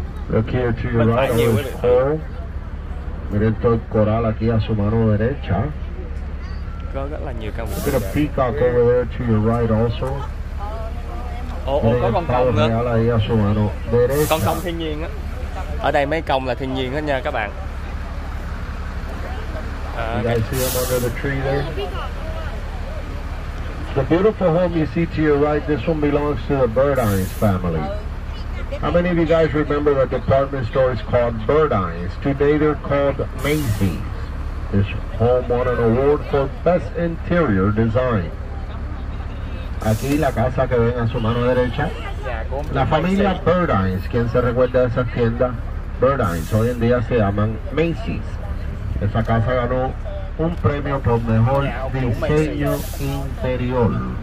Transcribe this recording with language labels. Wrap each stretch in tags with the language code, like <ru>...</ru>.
<en>Look here to your right, there is coral.</en> <es>Miren todo el coral aquí a su mano derecha.</es> <en>Look at a peacock over there to your right also.</en> <vi>Oh, có con công nữa.</vi> <es>Ahí a su mano derecha.</es> <vi>Con công thiên nhiên á. Ở đây mấy công là thiên nhiên hết nha các bạn.</vi> <en>You guys see them under the tree there? The beautiful home you see to your right, this one belongs to the Bird Eyes family. How many of you guys remember that department store is called Bird Eyes? Today they're called Macy's. This home won an award for best interior design.</en> <es>Aquí la casa que ven a su mano derecha. La familia Bird Eyes. ¿Quién se recuerda de esa tienda? Bird Eyes. Hoy en día se llaman Macy's. Esa casa ganó un premio por mejor diseño interior.</es>